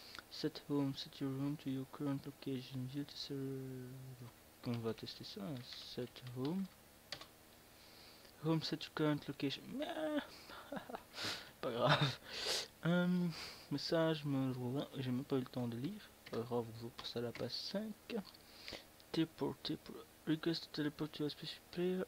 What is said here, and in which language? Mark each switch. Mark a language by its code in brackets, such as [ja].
[en] Set home, set your home to your current location. View to server. [fr] On va tester ça. [en] Set home. Home set your current location. [fr] Pas grave. Message, j'ai même pas eu le temps de lire. Vous passez à la passe 5. Teleport. [en] Request to teleport to a specific player.